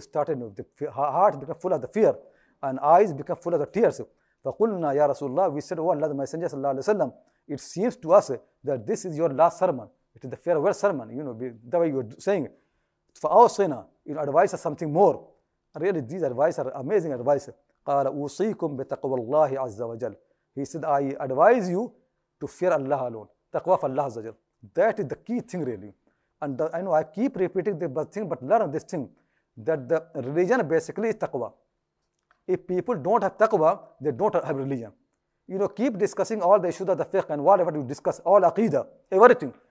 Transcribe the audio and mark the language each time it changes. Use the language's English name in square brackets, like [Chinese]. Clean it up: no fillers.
[English] Started, you know, the heart became full of the fear and eyes became full of the tears. [Arabic] فَقُلْنَا يَا رَسُولَ اللَّهِ, [English] we said, oh Allah, the Messenger sallallahu alayhi wa sallam, it seems to us that this is your last sermon. It is the farewell sermon, you know, the way you are saying. For our sinner, you know, advise us something more. Really, these advice are amazing advice. [Arabic] قال أوصيكم بتقوى الله عز وجل. [English] He said, I advise you to fear Allah alone. Taqwa for Allah عز وجل. That is the key thing really. And I know I keep repeating the bad thing, but learn this thing, that the religion basically is taqwa. If people don't have taqwa, they don't have religion. You know, keep discussing all the issues of the fiqh and whatever you discuss, all aqidah, everything.